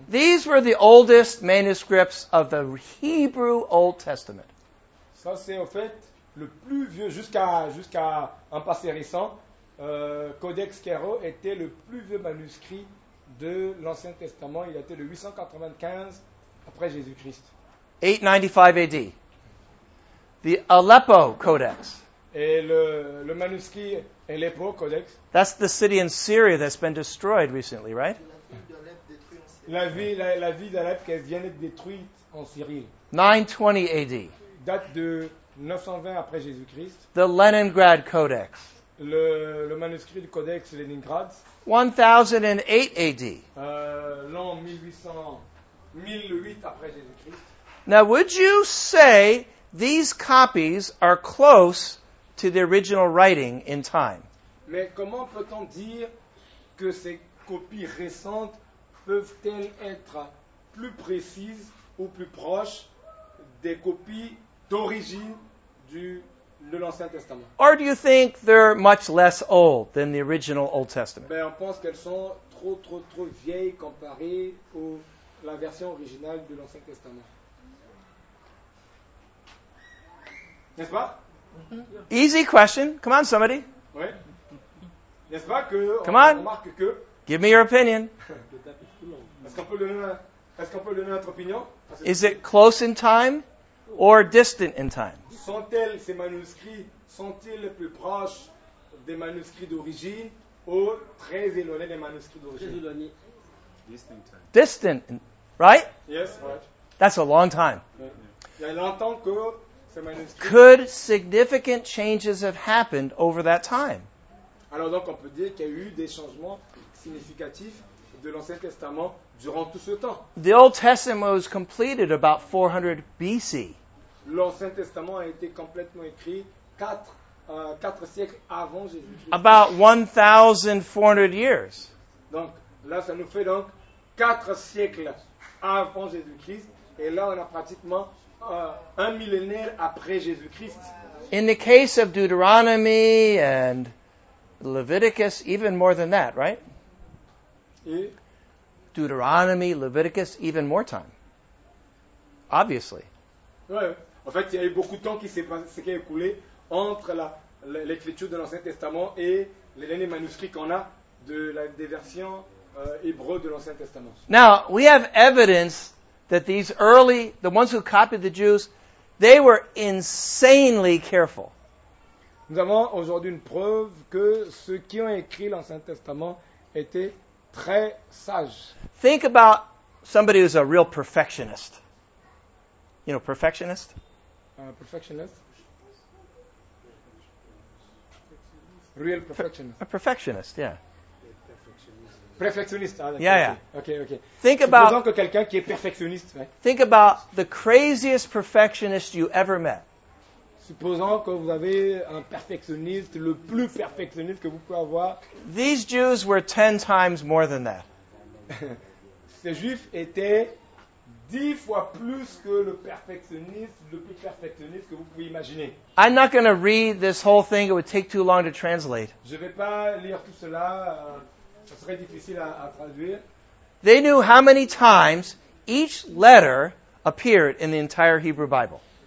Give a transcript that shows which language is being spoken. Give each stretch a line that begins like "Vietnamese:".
English: these were the oldest manuscripts of the Hebrew Old Testament.
French: Ça, c'est en fait le plus vieux jusqu'à un passé récent. Codex Caro était le plus vieux manuscrit de l'Ancien Testament. Il datait de 895 après Jésus-Christ.
English: 895 AD. The Aleppo Codex.
French: Et le manuscrit Aleppo Codex.
English: That's the city in Syria that's been destroyed recently, right?
French: La ville d'Alep détruite en Syrie. La ville d'Alep qui vient d'être détruite en Syrie.
English: 920 AD.
French: Date de 920 après Jésus-Christ.
English: The Leningrad Codex.
French: Le manuscrit du Codex Leningrad.
English: 1008 AD.
French: L'an 1008 après Jésus-Christ.
English: Now, would you say these copies are close to the original writing in time?
French: Mais comment peut-on dire que ces copies récentes peuvent-elles être plus précises ou plus proches des copies d'origine de l'Ancien Testament?
English: Or do you think they're much less old than the original Old Testament?
French: Ben, on pense qu'elles sont trop vieilles comparées à la version originale de l'Ancien Testament. N'est-ce pas?
English: Easy question. Come on, somebody.
French: Oui. N'est-ce pas que
English: Come on.
French: Remarque que
English: Give me your opinion.
French: Est-ce qu'on peut donner notre opinion?
English: Is it close in time or distant in time?
French: Sont-elles ces manuscrits, sont-ils plus proches des manuscrits d'origine ou très éloignés des manuscrits d'origine? Très éloignés.
English: Distant, right? Yes, right. That's a long time.
French: Il y a longtemps que ces manuscrits...
English: Could significant changes have happened over that time?
French: Alors donc on peut dire qu'il y a eu des changements significatifs de l'Ancien Testament durant tout ce temps.
English: The Old Testament was completed about 400 BC.
French: L'Ancien Testament a été complètement écrit 4 siècles avant Jésus-Christ.
English: About 1400 years.
French: Donc là ça nous fait donc 4 siècles avant Jésus-Christ et là on a pratiquement un millénaire après Jésus-Christ.
English: In the case of Deuteronomy and Leviticus, even more than that, right? Deuteronomy, Leviticus, even more time. Obviously.
French: Ouais. En fait, il y a eu beaucoup de temps qui s'est écoulé entre l'écriture de l'Ancien Testament et les derniers manuscrits qu'on a des versions hébreux de l'Ancien Testament.
English: Now, we have evidence that these early, the ones who copied the Jews, they were insanely careful.
French: Nous avons aujourd'hui une preuve que ceux qui ont écrit l'Ancien Testament étaient très sages.
English: Think about somebody who's a real perfectionist. You know, perfectionist? Perfectionist? Real perfectionist. A perfectionist, yeah. Perfectionist. Yeah. Okay. Think about.
French: Supposons que quelqu'un qui est perfectionniste. Ouais.
English: Think about the craziest perfectionist you ever met.
French: Supposons que vous avez un perfectionniste, le plus perfectionniste que vous pouvez avoir.
English: These Jews were 10 times more than that.
French: Ces Juifs étaient 10 fois plus que le perfectionniste, le plus perfectionniste que vous pouvez imaginer.
English: I'm not going to read this whole thing. It would take too long to translate.
French: Je ne vais pas lire tout cela. Ça serait difficile à traduire.
English: They knew how many times each letter appeared in the entire Hebrew Bible.